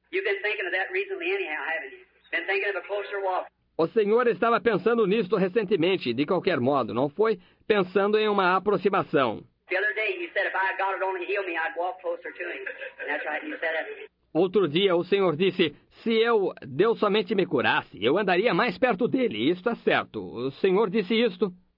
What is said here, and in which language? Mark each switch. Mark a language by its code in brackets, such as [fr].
[en] You've been thinking of that recently anyhow, haven't you? Been thinking of a closer walk. [pt] O Senhor estava pensando nisto recentemente, de qualquer modo, não foi? Pensando em uma aproximação. [en] The other day he said, if I God would only heal me, I'd walk closer to him. That's right, he said it. [pt] Outro dia, o Senhor disse, se eu, Deus somente me curasse, eu andaria mais perto dEle. Isto é certo. O Senhor disse isto.